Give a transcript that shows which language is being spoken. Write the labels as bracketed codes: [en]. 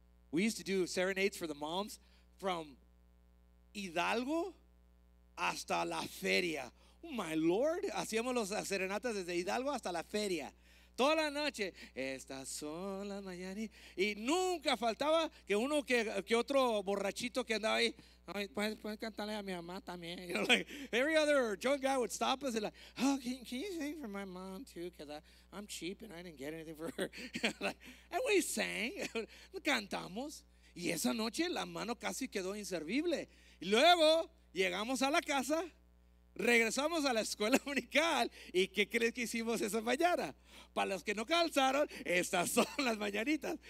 [en] We used to do serenades for the moms from Hidalgo [es] hasta la feria. [en] Oh my Lord, [es] hacíamos las serenatas desde Hidalgo hasta la feria. Toda la noche, estas son las mañanas. Y nunca faltaba que uno que otro borrachito que andaba ahí, puedes cantarle a mi mamá también. [en] You know, like, every other drunk guy would stop us and like, oh, can you sing for my mom too? Because I'm cheap and I didn't get anything for her. And we sang, cantamos. [es] Y esa noche la mano casi quedó inservible. Y luego llegamos a la casa. Regresamos a la escuela dominical y ¿qué crees que hicimos esa mañana? Para los que no calzaron, estas son las mañanitas.